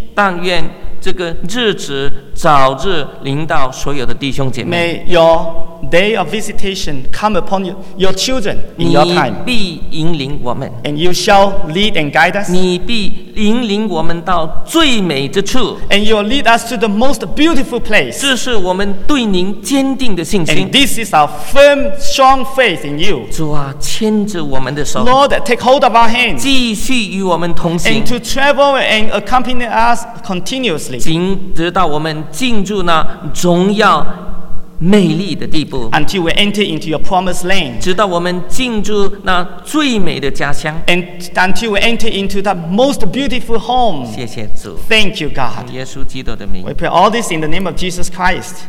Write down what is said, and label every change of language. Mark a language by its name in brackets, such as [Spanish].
[Chinese] 但愿这个日子早日临到所有的弟兄姐妹 [English] May your day of visitation come upon you, your children in your time [Chinese] 你必引领我们 [English] And you shall lead and guide us [Chinese] 你必引领我们到最美之处 [English] And you will lead us to the most beautiful place [Chinese] 这是我们对您坚定的信心 [English] And this is our firm, strong faith in you [Chinese] 主啊牵着我们的手 [English] Lord, take hold of our hand [Chinese] 继续与我们同行 [English] And to travel and accompany us continuously [Chinese] 仅直到我们进入那荣耀美丽的地步 [English] Until we enter into your promised land [Chinese] 直到我们进入那最美的家乡 [English] And until we enter into that most beautiful home [Chinese] 谢谢主 [English] Thank you God [Chinese] 耶稣基督的名 [English] We pray all this in the name of Jesus Christ